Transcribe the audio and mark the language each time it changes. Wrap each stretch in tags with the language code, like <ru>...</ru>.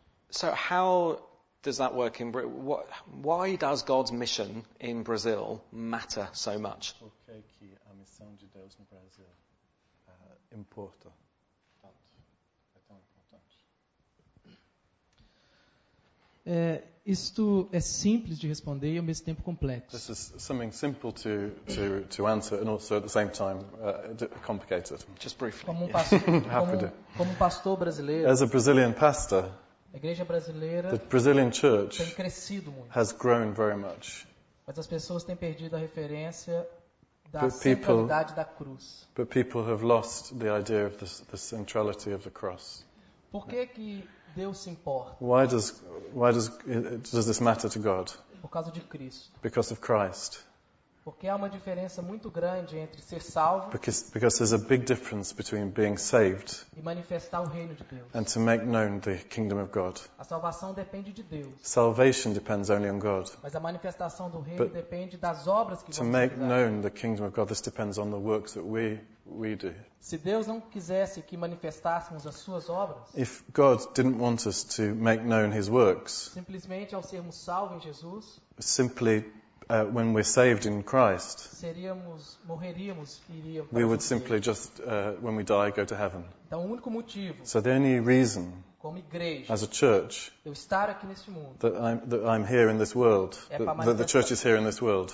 <en>So how does that work in Brazil? Why does God's mission in Brazil matter so much?</en> <pt>Por que que a missão de Deus no Brasil importa tanto? É tão importante. Isto é simples de responder e ao mesmo tempo complexo.</pt> <en>This is something simple to answer and also at the same time complicated. Just briefly.</en> <pt>Como pastor pastor brasileiro.</pt> <en>As a Brazilian pastor.</en> <pt>A igreja brasileira,</pt> <en>the Brazilian church,</en> <pt>tem crescido muito.</pt> <en>Has grown very much.</en> <pt>Mas as pessoas têm perdido a referência da centralidade da cruz.</pt> <en>But people have lost the idea of the centrality of the cross.</en> <pt>Por que que Deus se importa?</pt> <en>Why does this matter to God?</en> <pt>Por causa de Cristo.</pt> <en>Because of Christ.</en> <pt>Porque há uma diferença muito grande entre ser salvo</pt> <en>because there's a big difference between being saved</en> <pt>e manifestar o reino de Deus.</pt> <en>And to make known the kingdom of God.</en> <pt>A salvação depende de Deus.</pt> <en>Salvation depends only on God.</en> <pt>Mas a manifestação do reino depende das obras que</pt> <en>to make known the kingdom of God, this depends on the works that we do.</en> <pt>Se Deus não quisesse que manifestássemos as suas obras,</pt> <en>if God didn't want us to make known his works,</en> <pt>simplesmente ao sermos salvos em Jesus,</pt> <en>When we're saved in Christ,</en> <pt>morreríamos,</pt> <en>we would simply just, when we die, go to heaven.</en> <pt>Então, o único motivo,</pt> <en>so the only reason,</en> <pt>como igreja,</pt> <en>as a church,</en> <pt>eu estar aqui neste mundo,</pt> <en>that I'm here in this world, that the church is here in this world,</en>